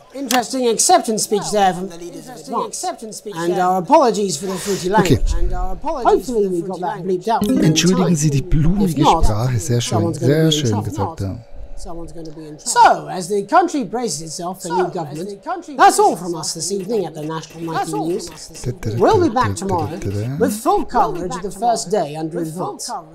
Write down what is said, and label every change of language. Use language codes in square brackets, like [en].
[en] Interesting acceptance speech there from the leaders of advance. And our apologies for the fruity language. Okay. Hopefully we got that bleeped out. [de] Entschuldigen Sie die blumige Sprache. Sehr schön gesagt. [en] So, as the country braces itself for new government, that's all from us this evening at the National Nightly News. We'll be back tomorrow with full coverage of the first day under advance.